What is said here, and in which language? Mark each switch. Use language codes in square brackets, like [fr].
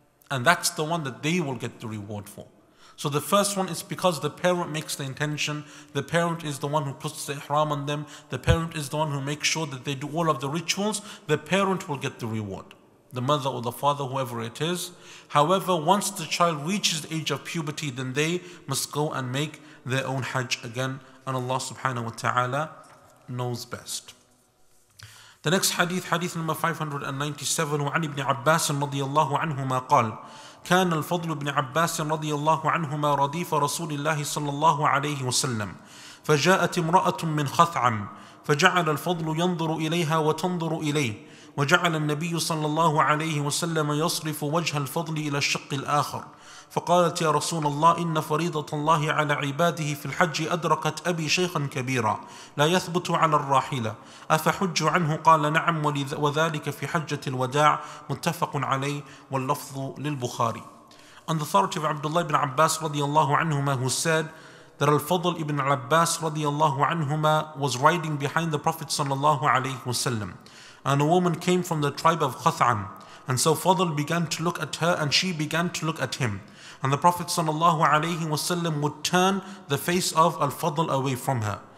[en] And that's the one that they will get the reward for. So the first one is because the parent makes the intention, the parent is the one who puts the ihram on them, the parent is the one who makes sure that they do all of the rituals, the parent will get the reward, the mother or the father, whoever it is. However, once the child reaches the age of puberty, then they must go and make their own Hajj again, and Allah subhanahu wa ta'ala knows best. [ar] The next hadith, hadith number 597, وعن ابن عباس رضي الله عنهما قال كان الفضل بن عباس رضي الله عنهما رديف رسول الله صلى الله عليه وسلم فجاءت امرأة من خثعم فجعل الفضل ينظر إليها وتنظر إليه وجعل النبي صلى الله عليه وسلم يصرف وجه الفضل إلى الشق الآخر، فقالت يا رسول الله إن فريضة الله على عباده في الحج أدركت أبي شيخا كبيرا لا يثبت على الراحلة، أفحج عنه؟ قال نعم، وذلك في حجة الوداع، متفق عليه، واللفظ للبخاري. [en] On the authority of Abdullah ibn Abbas radiallahu anhuma, who said that Al-Fadl ibn Abbas radiallahu anhuma was riding behind the Prophet sallallahu alayhi wasallam, and a woman came from the tribe of Khath'an, and so Fadl began to look at her and she began to look at him, and the Prophet sallallahu alayhi wasallam would turn the face of Al-Fadl away from her.